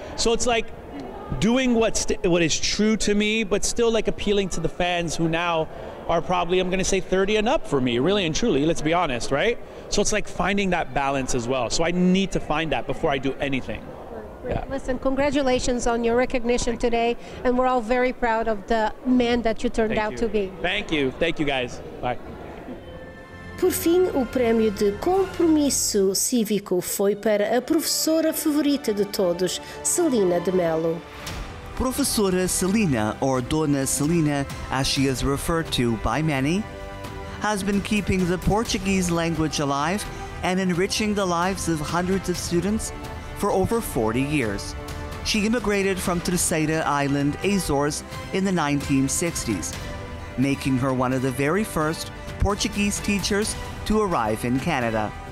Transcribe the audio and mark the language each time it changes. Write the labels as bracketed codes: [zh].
[en] So it's like, doing what is true to me, but still like appealing to the fans who now are probably, I'm gonna say, 30 and up for me, really and truly, let's be honest, right? So it's like finding that balance as well. So I need to find that before I do anything. Great. Yeah. Listen, congratulations on your recognition today. And we're all very proud of the man that you turned out to be. Thank you. Thank you, guys. Bye. [pt] Por fim, o prémio de compromisso cívico foi para a professora favorita de todos, Celina de Melo. [en] Professora Celina, or Dona Celina, as she is referred to by many, has been keeping the Portuguese language alive and enriching the lives of hundreds of students for over 40 years. She immigrated from Terceira Island, Azores, in the 1960s, making her one of the very first Portuguese teachers to arrive in Canada.